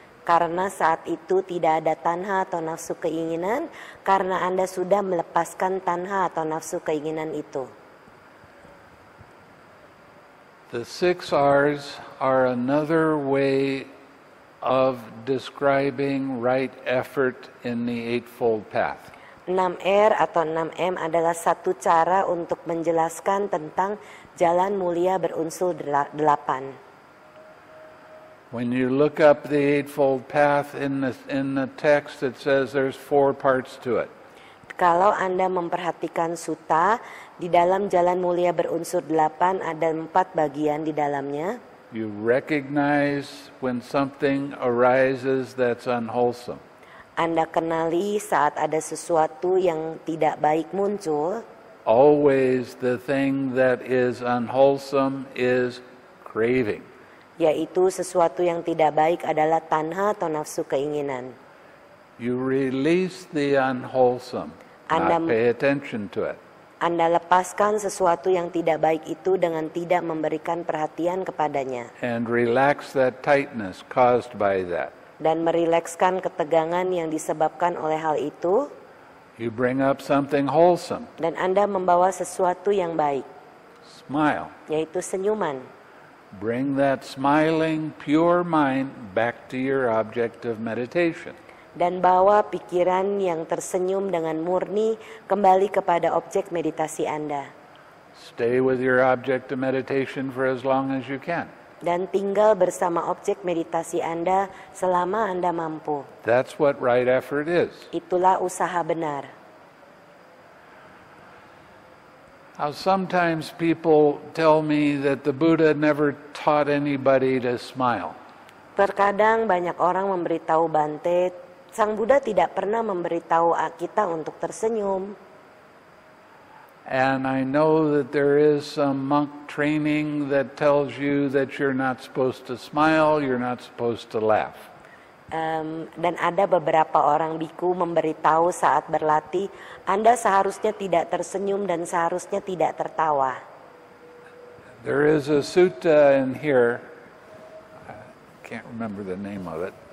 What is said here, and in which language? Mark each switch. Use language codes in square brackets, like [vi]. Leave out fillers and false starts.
[id] Karena saat itu tidak ada tanha atau nafsu keinginan, karena Anda sudah melepaskan tanha atau nafsu keinginan itu. [en] The six R's are another way of describing right effort in the Eightfold Path. [id] 6 R atau 6 M adalah satu cara untuk menjelaskan tentang jalan mulia berunsur 8. [en] When you look up the Eightfold Path in the text, it says there's 4 parts to it. [id] Kalau Anda memperhatikan sutta, di dalam jalan mulia berunsur 8 ada 4 bagian di dalamnya. [en] You recognize when something arises that's unwholesome. [id] Anda kenali saat ada sesuatu yang tidak baik muncul. [en] Always the thing that is unwholesome is craving. [id] Yaitu sesuatu yang tidak baik adalah tanha atau nafsu keinginan. [en] You release the unwholesome. Anda pay attention to it. [id] Anda lepaskan sesuatu yang tidak baik itu dengan tidak memberikan perhatian kepadanya. [en] And relax that tightness caused by that. [id] Dan merilekskan ketegangan yang disebabkan oleh hal itu. [en] You bring up something wholesome. [id] Dan Anda membawa sesuatu yang baik. [en] Smile. [id] Yaitu senyuman. [en] Bring that smiling, pure mind back to your object of meditation. [id] Dan bawa pikiran yang tersenyum dengan murni kembali kepada objek meditasi Anda. [en] Stay with your object of meditation for as long as you can. [id] Dan tinggal bersama objek meditasi Anda selama Anda mampu. [en] That's what right effort is. [id] Itulah usaha benar. [en] Now sometimes people tell me that the Buddha never taught anybody to smile. [id] Terkadang banyak orang memberitahu Bhante, Sang Buddha tidak pernah memberitahu kita untuk tersenyum. [en] And I know that there is some monk training that tells you that you're not supposed to smile, you're not supposed to laugh. [id] Dan ada beberapa orang biku memberitahu saat berlatih, Anda seharusnya tidak tersenyum dan seharusnya tidak tertawa. [en] There is a sutta in here, I can't remember the name of it.